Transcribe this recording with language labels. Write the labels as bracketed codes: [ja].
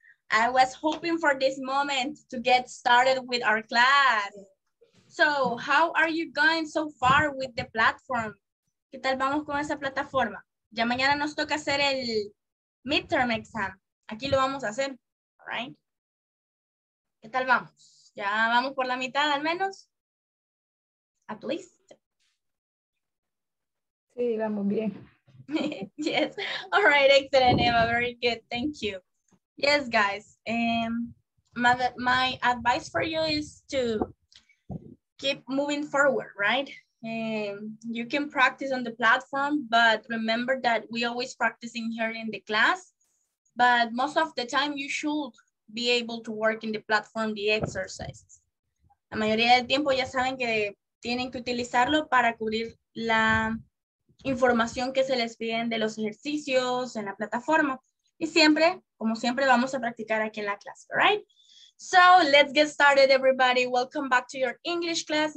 [en] I was hoping for this moment to get started with our class. So, how are you going so far with the platform? [es] ¿Qué tal vamos con esa plataforma? Ya mañana nos toca hacer el midterm exam. Aquí lo vamos a hacer. [en] All right. [es] ¿Qué tal vamos? ¿Ya vamos por la mitad al menos? [en] At least. [es] Sí, vamos bien. [en] Yes. All right, excellent, Eva. Very good. Thank you. Yes, guys. My advice for you is to keep moving forward, right? You can practice on the platform, but remember that we always practicing here in the class, but most of the time you should be able to work in the platform, the exercises. [es] La mayoría del tiempo ya saben que tienen que utilizarlo para cubrir la información que se les piden de los ejercicios en la plataforma. Y siempre, como siempre, vamos a practicar aquí en la clase, right? [en] So let's get started, everybody. Welcome back to your English class.